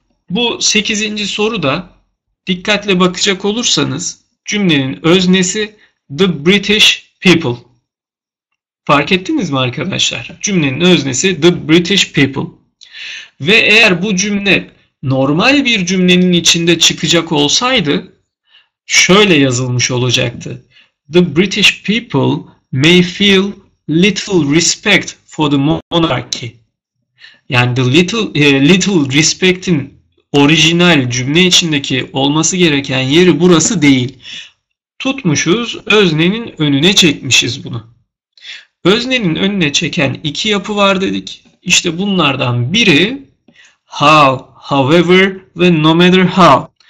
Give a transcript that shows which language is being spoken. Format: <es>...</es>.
<tr>Bu 8. soruda dikkatle bakacak olursanız cümlenin öznesi</tr> <en>the British people.</en> <tr>Fark ettiniz mi arkadaşlar? Cümlenin öznesi</tr> <en>the British people.</en> <tr>Ve eğer bu cümle normal bir cümlenin içinde çıkacak olsaydı şöyle yazılmış olacaktı.</tr> <en>The British people may feel little respect for the monarchy.</en> <tr>Yani little respect'in orijinal cümle içindeki olması gereken yeri burası değil. Tutmuşuz, öznenin önüne çekmişiz bunu. Öznenin önüne çeken iki yapı var dedik. İşte bunlardan biri how, however ve no matter how.</tr>